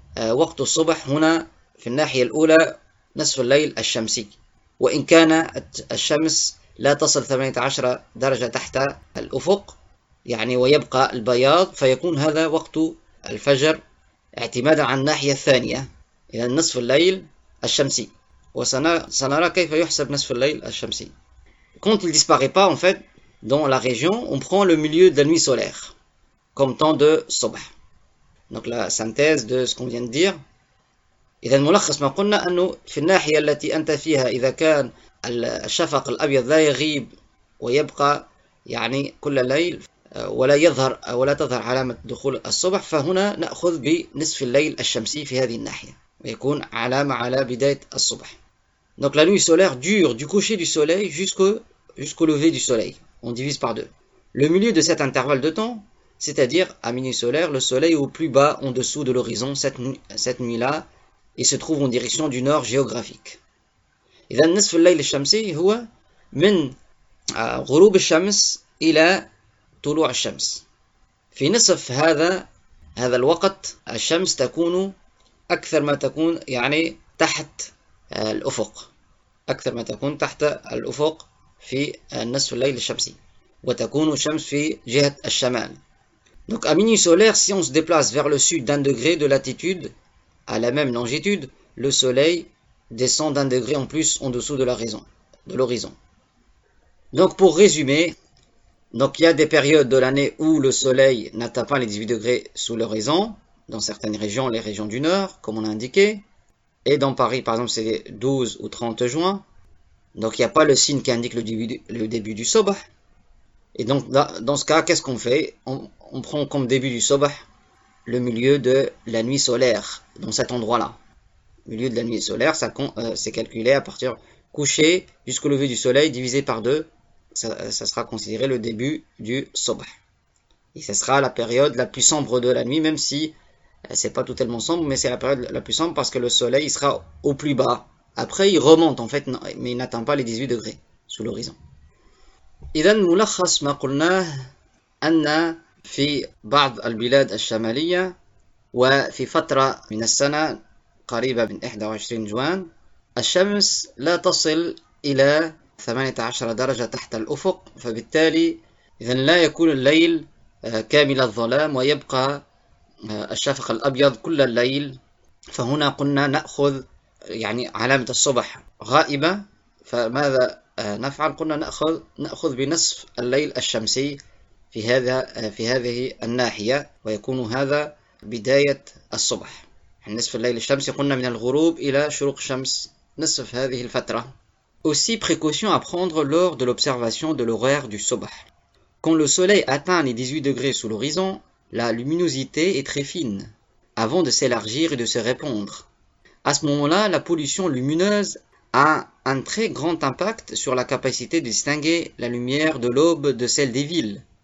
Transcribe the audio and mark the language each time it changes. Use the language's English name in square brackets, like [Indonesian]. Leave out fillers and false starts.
[Arabic] وقت الصبح هنا في الناحية الأولى نصف الليل الشمسي وإن كانت الشمس لا تصل 18 درجة تحت الأفق يعني ويبقى البياض فيكون هذا وقت الفجر اعتمادا على الناحية الثانية إلى نصف الليل الشمسي وسنرى كيف يحسب نصف الليل الشمسي [French] quand il disparaît pas en fait dans la région on prend le milieu de la nuit solaire comme temps de subh. Donc la synthèse de ce qu'on vient de dire. [Arabic] إذا ملخص ما قلنا أنه في الناحية التي أنت فيها إذا كان الشفق الأبيض لا يغيب ويبقى يعني كل الليل ولا يظهر ولا تظهر علامة دخول الصبح، فهنا نأخذ بنصف الليل الشمسي في هذه الناحية ويكون علامة على بداية الصبح. [French] Donc la nuit solaire dure du coucher du soleil jusqu'au lever du soleil. On divise par deux. Le milieu de cet intervalle de temps, c'est-à-dire à minuit solaire, le soleil est au plus bas en dessous de l'horizon cette nuit-là. Il se trouve en direction du nord géographique. Et dans [Arabic] نصف الليل الشمسي هو من غروب الشمس إلى طلوع الشمس. في نصف هذا الوقت الشمس تكون أكثر ما تكون يعني تحت الأفق. أكثر ما تكون تحت الأفق في نصف الليل الشمسي. وتكون الشمس في جهة الشمال. [French] Donc à minuit solaire, si on se déplace vers le sud d'un degré de latitude, à la même longitude, le soleil descend d'un degré en plus en dessous de l'horizon. Donc pour résumer, donc il y a des périodes de l'année où le soleil n'atteint pas les 18 degrés sous l'horizon, dans certaines régions, les régions du nord, comme on a indiqué, et dans Paris, par exemple, c'est les 12 ou 30 juin, donc il n'y a pas le signe qui indique le début du sobah. Et donc, là, dans ce cas, qu'est-ce qu'on fait? On prend comme début du sobah le milieu de la nuit solaire, dans cet endroit-là. Milieu de la nuit solaire, c'est calculé à partir coucher jusqu'au lever du soleil divisé par deux. Ça sera considéré le début du sobah. Et ce sera la période la plus sombre de la nuit, même si c'est pas totalement sombre, mais c'est la période la plus sombre parce que le soleil il sera au plus bas. Après, il remonte en fait, non, mais il n'atteint pas les 18 degrés sous l'horizon. [Arabic] إذن ملخص ما قلناه أن في بعض البلاد الشمالية وفي فترة من السنة قريبة من 21 جوان الشمس لا تصل إلى 18 درجة تحت الأفق، فبالتالي إذن لا يكون الليل كامل الظلام ويبقى الشفق الأبيض كل الليل. فهنا قلنا نأخذ يعني علامة الصبح غائبة، فماذا نفعل؟ قلنا نأخذ بنصف الليل الشمسي في هذه الناحية، ويكون هذا بداية الصبح. نصف الليل الشمسي قلنا من الغروب إلى شروق الشمس نصف هذه الفترة. [French] Aussi précaution à prendre lors de l'observation de l'horaire du subh. Quand le soleil atteint les 18 degrés sous l'horizon, la luminosité est très fine, avant de s'élargir et de se répandre. À ce moment-là, la pollution lumineuse a un très grand impact sur la capacité de distinguer la lumière de l'aube de celle des villes.